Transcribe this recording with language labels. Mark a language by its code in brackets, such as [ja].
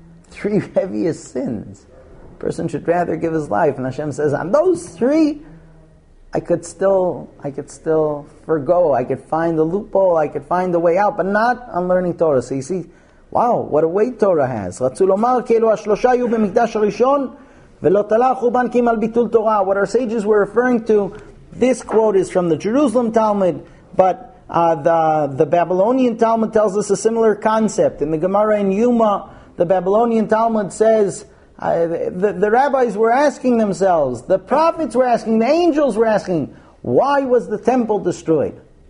[en] Three heaviest sins. A person should rather give his life. And Hashem says, on those three, I could still forgo. I could find the loophole. I could find the way out. But not on learning Torah. So you see, wow, what a weight Torah has. [he] רצו לומר כאילו השלושה היו במקדש הראשון ולא תלה חורבן כי מל ביטול תורה. [en] What our sages were referring to, this quote is from the Jerusalem Talmud, but the Babylonian Talmud tells us a similar concept. In the Gemara in Yuma, the Babylonian Talmud says, the rabbis were asking themselves, the prophets were asking, the angels were asking, why was the temple destroyed?